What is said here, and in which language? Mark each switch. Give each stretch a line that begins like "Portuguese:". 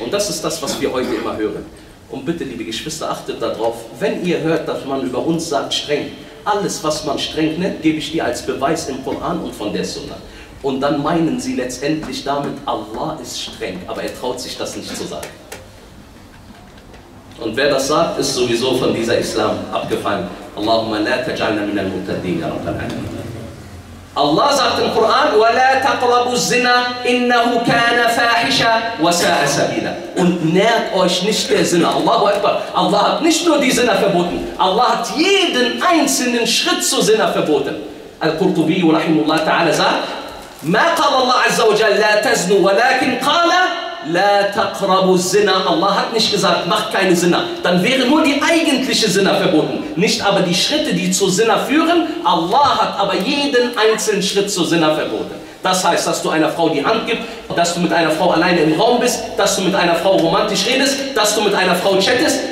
German: Und das ist das, was wir heute immer hören. Und bitte, liebe Geschwister, achtet darauf, wenn ihr hört, dass man über uns sagt, streng, alles, was man streng nennt, gebe ich dir als Beweis im Koran und von der Sunna. Und dann meinen sie letztendlich damit, Allah ist streng, aber er traut sich das nicht zu sagen. Und wer das sagt, ist sowieso von dieser Islam abgefallen.
Arabic: Allahumma la taj'alna minal mutadin, ya Rabbal Alamin.
German: Allah sagt im Koran,
Arabic: وَلَا تَقْرَبُوا الزِّنَا إِنَّهُ كَانَ فَاحِشًا وَسَاءَ سَبِيلًا.
German: Und nährt euch nicht der Sinne. Allahu Akbar. Allah hat nicht nur die Sinne verboten. Allah hat jeden einzelnen Schritt zu Sinne verboten.
Arabic: Al-Qurtubi, rahimullah ta'ala, sagt, مَا قَالَ اللَّهُ عَزَّ وَجَلَّ لَا تَزْنُوا وَلَكِنْ قَالَ لَا تَقْرَبُوا الزِّنَا.
German: Allah hat nicht gesagt, macht keine Sinne. Dann wäre nur die eigentliche Sinne verboten. Nicht aber die Schritte, die zu Sinne führen. Allah hat aber jeden einzelnen Schritt zu Sinne verboten. Das heißt, dass du einer Frau die Hand gibst, dass du mit einer Frau alleine im Raum bist, dass du mit einer Frau romantisch redest, dass du mit einer Frau chattest.